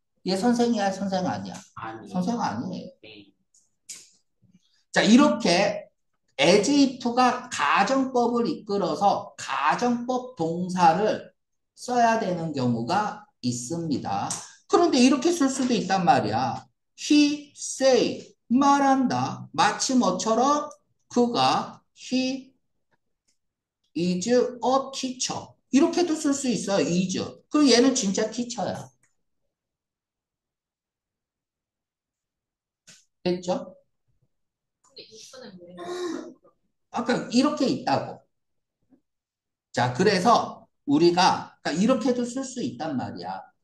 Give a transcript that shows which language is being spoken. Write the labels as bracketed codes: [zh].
[ko] 얘 선생이야, 선생 아니야? 선생 아니에요. 자, 이렇게 as if가 가정법을 이끌어서 가정법 동사를 써야 되는 경우가 있습니다. 그런데 이렇게 쓸 수도 있단 말이야. [en] He say [ko] 말한다. 마치 뭐처럼 그가 [en] he is a teacher. [ko] 이렇게도 쓸수 있어요. is. 그리고 얘는 진짜 teacher야. 됐죠? 아까 이렇게 있다고. 자, 그래서 우리가 이렇게도 쓸수 있단 말이야.